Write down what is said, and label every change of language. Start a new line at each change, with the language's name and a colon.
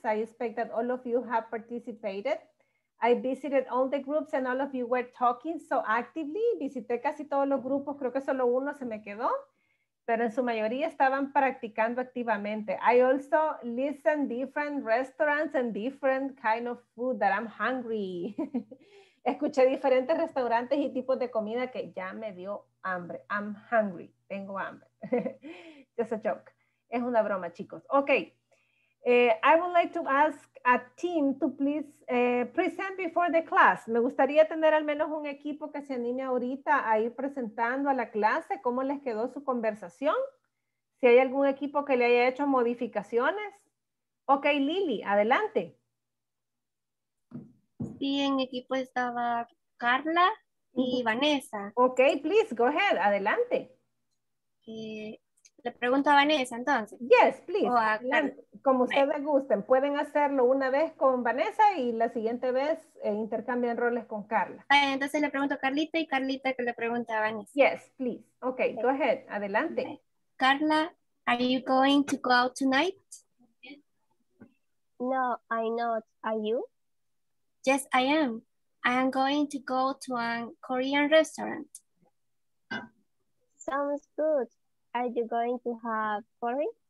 English: I expect that all of you have participated. I visited all the groups and all of you were talking so actively.
Spanish: Visité casi todos los grupos. Creo que solo uno se me quedó, pero en su mayoría estaban practicando activamente.
English: I also listened to different restaurants and different kind of food that I'm hungry.
Spanish: Escuché diferentes restaurantes y tipos de comida que ya me dio hambre.
English: I'm hungry.
Spanish: Tengo hambre.
English: Just a joke.
Spanish: Es una broma, chicos.
English: Okay. I would like to ask a team to please present before the class.
Spanish: Me gustaría tener al menos un equipo que se anime ahorita a ir presentando a la clase cómo les quedó su conversación. Si hay algún equipo que le haya hecho modificaciones.
English: Okay, Lily, adelante.
Spanish: Sí, en mi equipo estaba Carla y Vanessa.
English: Okay, please, go ahead, adelante.
Spanish: Le pregunto a Vanessa entonces.
English: Yes, please.
Spanish: Como ustedes gusten, pueden hacerlo una vez con Vanessa y la siguiente vez intercambian roles con Carla. Entonces le pregunto a Carlita y Carlita que le pregunte a Vanessa.
English: Yes, please. Okay, go ahead. Adelante. Carla, are you going to go out tonight? No, I'm not. Are you? Yes, I am. I am going to go to a Korean restaurant. Sounds good. Are you going to have curry?